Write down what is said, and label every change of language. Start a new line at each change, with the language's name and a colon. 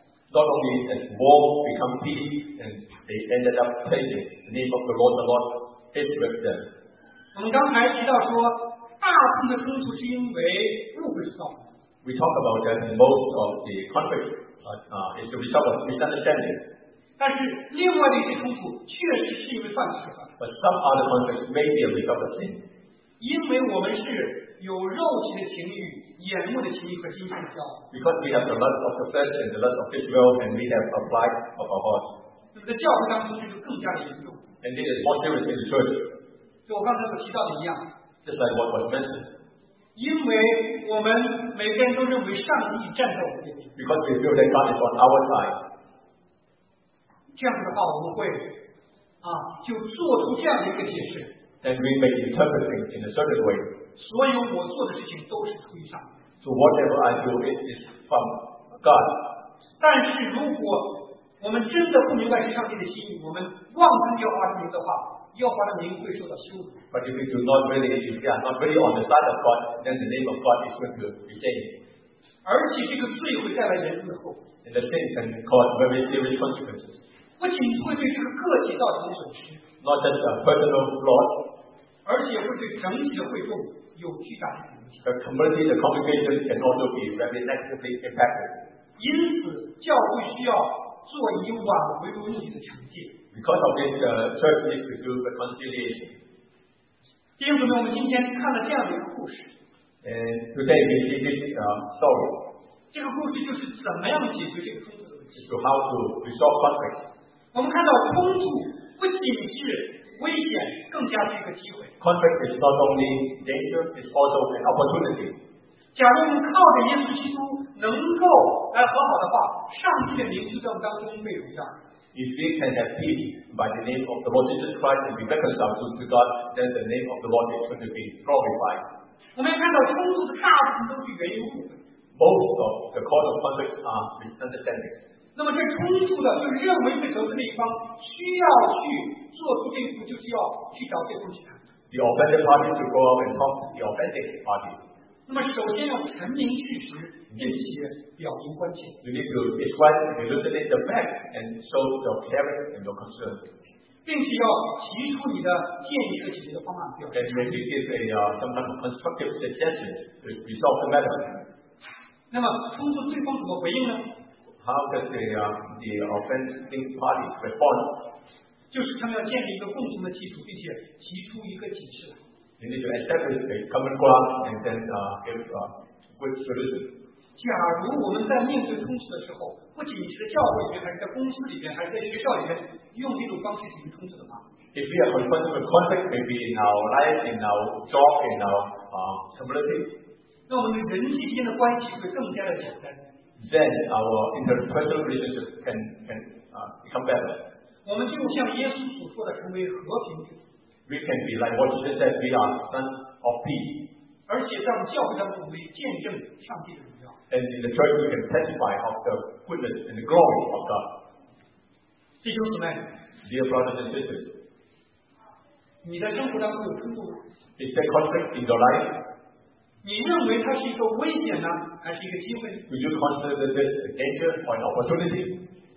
English: Not only has war become peace and they ended up praising the name of the Lord is with them.
Chinese: 我们刚才提到说大部分的冲突是因为误会造成。
English: We talk about that most of the conflict is a result of misunderstanding.
Chinese: 但是另外的一些冲突确实是因为犯罪。
English: But some other conflicts may be a result of sin.
Chinese: 因为我们是有肉体的情欲、眼目的情欲和心性的骄傲。
English: Because we have the lust of the flesh and the lust of this world, and we have a pride of our hearts.
Chinese: 在教会当中这就更加的严重。
English: And it is more serious in the church.
Chinese: 就我刚才所提到的一样。
English: Just like what was mentioned.
Chinese: 因为我们每个人都认为上帝站在我们这边。
English: Because we feel that God is on our side.
Chinese: 这样的话，我们会啊，就做出这样的一个解释。
English: And we may interpret it in a certain way.
Chinese: 所有我做的事情都是出于上帝。
English: So whatever I do is from God.
Chinese: 但是如果我们真的不明白上帝的心意，我们妄称耶和华的名的话，耶和华的名会受到羞辱。
English: But if you do not really, if you are not really on the side of God, then the name of God is going to be shamed.
Chinese: 而且这个罪会带来严重的后果。
English: And the sin can cause very serious consequences.
Chinese: 不仅会对这个个体造成损失
English: ，not just a personal loss，
Chinese: 而且会对整体的会众有巨大的影响。
English: The community, the congregation can also be very negatively impacted.
Chinese: 因此，教会需要做以挽回为目的的惩戒。
English: Because of this, church needs to do the conciliation.
Chinese: 弟兄姊妹，我们今天看了这样的一个故事。
English: And today we see this story.
Chinese: 这个故事就是怎么样解决这个冲突的问题。
English: So how to resolve conflict?
Chinese: 我们看到冲突不仅是危险，更加是一个机会。
English: Conflict is not only danger, it's also an opportunity.
Chinese: 假如我们靠着耶稣基督能够来和好的话，上帝的名字在我们当中被荣耀。
English: If we can have peace by the name of the Lord Jesus Christ and be reconciled to God, then the name of the Lord is going to be glorified.
Chinese: 我们看到冲突的大部分都是源于误会。
English: Both of the cause of conflict are misunderstanding.
Chinese: 那么这冲突的，就是认为被得罪的一方需要去做出这一步，就是要去找对方去谈。
English: The offended party to go up and talk to the offended party.
Chinese: 那么首先要阐明事实。并且表明关切。
English: You need to describe and elucidate the fact and show your caring and your concern.
Chinese: 并且要提出你的建议和解决的方案。
English: And maybe give a some kind of constructive suggestions to resolve the matter.
Chinese: 那么冲突对方怎么回应呢？
English: How does the offending party respond?
Chinese: 就是他们要建立一个共同的基础，并且提出一个解释。
English: You need to establish a common ground and then give a good solution.
Chinese: 假如我们在面对冲突的时候，不仅是在教会里面，还是在公司里面，还是在学校里面，用这种方式解决冲突的话
English: ，If we are confronted with conflict, maybe in our life, in our job, in our community,
Chinese: 那我们的人际间的关系会更加的简单。
English: Then our interpersonal relationship can become better.
Chinese: 我们就像耶稣所说的，成为和平之子。
English: We can be like what Jesus said, we are sons of peace.
Chinese: 而且在我们教会当中，我们也见证上帝的。
English: And in the church, we can testify of the goodness and the glory of God.
Chinese: 弟兄姊妹
English: dear brothers and sisters,
Chinese: 你在生活当中有冲突
English: Is there conflict in your life?
Chinese: 你认为它是一个危险呢，还是一个机会？
English: Do you consider this a danger or an opportunity?